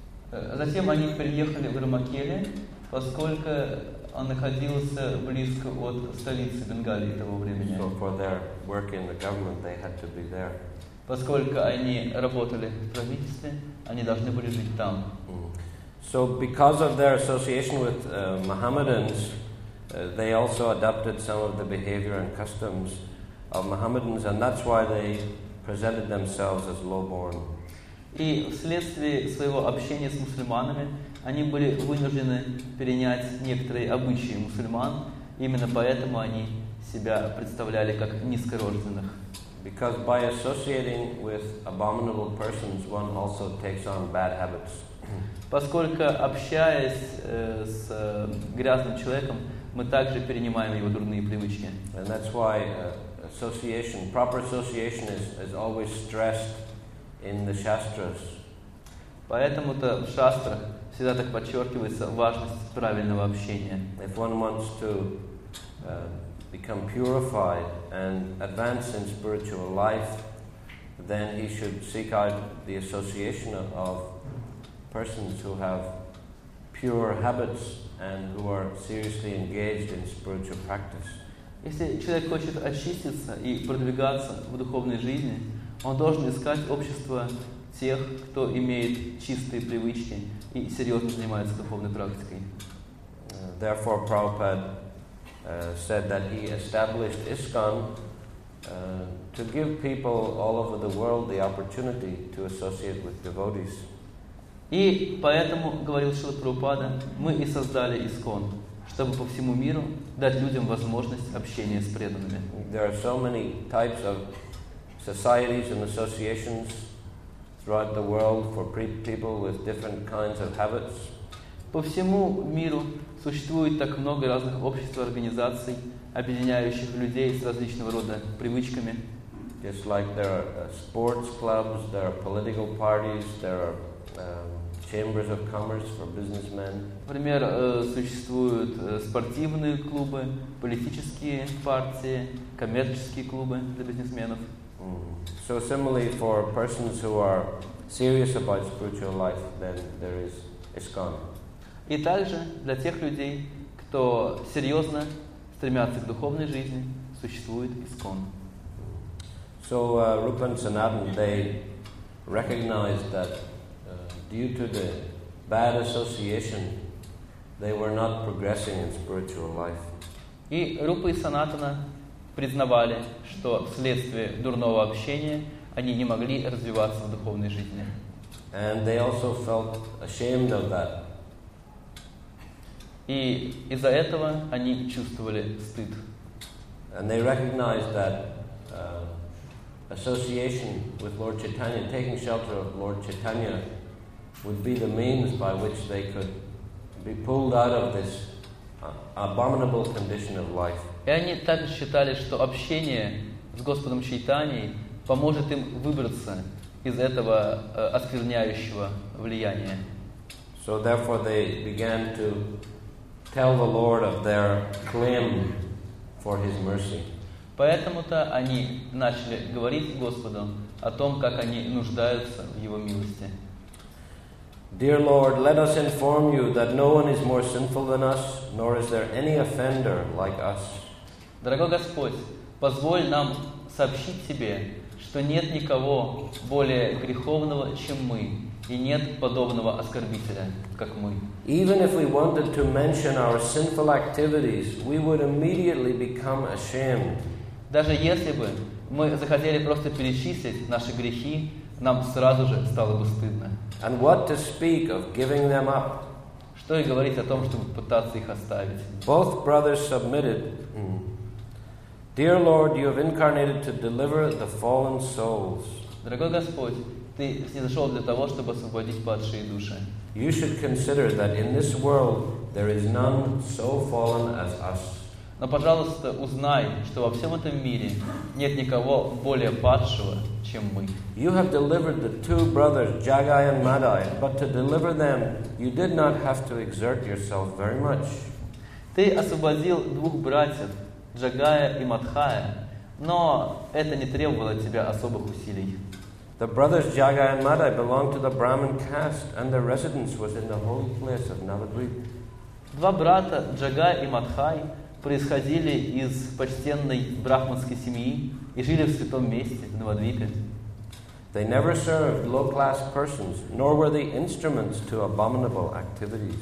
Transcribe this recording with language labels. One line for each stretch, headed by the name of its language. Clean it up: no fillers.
Russian: Затем они переехали в Рамакели, поскольку он находился близко от столицы Бенгалии того времени.
English: So for their work in the government, they had to be there.
Russian: Поскольку они работали в правительстве, они должны были жить там.
English: So because of their association with Mohammedans, they also adopted some of the behavior and customs of Mohammedans, and that's why they presented themselves as low-born.
Russian: И вследствие своего общения с мусульманами, они были вынуждены перенять некоторые обычаи мусульман, именно поэтому они себя представляли как низкорожденных.
English: Because by associating with abominable persons, one also takes on bad habits.
Russian: Поскольку общаясь с грязным человеком, мы также перенимаем его дурные привычки.
English: And that's why association, proper association is always stressed in the shastras.
Russian: Поэтому-то в шастрах всегда так подчеркивается важность правильного общения.
English: If one wants to become purified and advance in spiritual life, then he should seek out the association of persons who have pure habits and who are seriously engaged in spiritual practice.
Russian: Если человек хочет очиститься и продвигаться в духовной жизни, он должен искать общество тех, кто имеет чистые привычки и серьезно занимается духовной практикой.
English: Therefore, Prabhupada said that he established ISKCON to give people all over the world the opportunity to associate with devotees.
Russian: И поэтому, говорил Шрила Прабхупада, мы и создали ISKCON, чтобы по всему миру дать людям возможность общения с преданными.
English: There are so many types of societies and associations throughout the world for people with different kinds of habits.
Russian: По всему миру существует так много разных обществ и организаций, объединяющих людей с различного рода привычками.
English: Just like there are sports clubs, there are political parties, there are chambers of commerce for businessmen.
Russian: Например, существуют спортивные клубы, политические партии, коммерческие клубы для бизнесменов.
English: So similarly for persons who are serious about spiritual life, then there is ISKCON.
Russian: И также для тех людей, кто серьезно стремятся к духовной жизни, существует ISKCON.
English: So Rupa and Sanatan, they recognized that due to the bad association, they were not progressing in spiritual life.
Russian: И Рупа и Санатана признавали, что вследствие дурного общения они не могли развиваться в духовной жизни.
English: And they also felt ashamed of that.
Russian: И из-за этого они чувствовали стыд.
English: And they recognized that association with Lord Chaitanya, taking shelter of Lord Chaitanya, would be the means by which they could be pulled out of this abominable condition of life.
Russian: И они также считали, что общение с Господом Чайтаньей поможет им выбраться из этого оскверняющего влияния.
English: So therefore they began to tell the Lord of their claim for his mercy.
Russian: Поэтому-то они начали говорить Господу о том, как они нуждаются в его милости.
English: Dear Lord, let us inform you that no one is more sinful than us, nor is there any offender like us.
Russian: Дорогой Господь, позволь нам сообщить Тебе, что нет никого более греховного, чем мы, и нет подобного оскорбителя, как мы.
English: Even if we wanted to mention our sinful activities, we would immediately become ashamed.
Russian: Даже если бы мы захотели просто перечислить наши грехи, нам сразу же стало бы стыдно.
English: And what to speak of giving them up?
Russian: Что и говорить о том, чтобы пытаться их оставить.
English: Both brothers submitted. Dear Lord, you have incarnated to deliver the fallen souls.
Russian: Дорогой Господь, ты снизошел для того, чтобы освободить падшие души.
English: You should consider that in this world there is none so fallen as us.
Russian: Но, пожалуйста, узнай, что во всем этом мире нет никого более падшего, чем мы.
English: You have delivered the two brothers, Jagai and Madai, but to deliver them, you did not have to exert yourself very much.
Russian: Ты освободил двух братьев, Джагая и Мадхая, но это не требовало от тебя особых усилий.
English: The brothers Jagai and Madai belonged to the Brahmin caste, and their residence was in the holy place of Navadvip.
Russian: Два брата, Джагай и Мадхай, происходили из почтенной брахманской семьи и жили в святом месте, в Навадвипе.
English: They never served low-class persons, nor were they instruments to abominable activities.